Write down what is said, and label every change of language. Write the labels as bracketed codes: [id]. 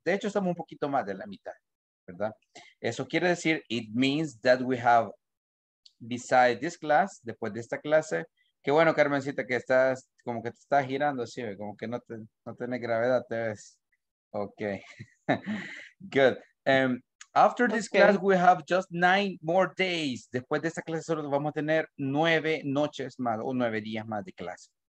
[es] De hecho, estamos un poquito más de la mitad, ¿verdad? Eso quiere decir, [en] it means that we have beside this class, [es] después de esta clase. Qué bueno, Carmencita, que estás como que te estás girando así, como que no tenés gravedad, te ves. [en] Okay. Good. After this class, we have just 9 more days. [es] Después de esta clase, solo vamos a tener 9 noches más o 9 días más de clase.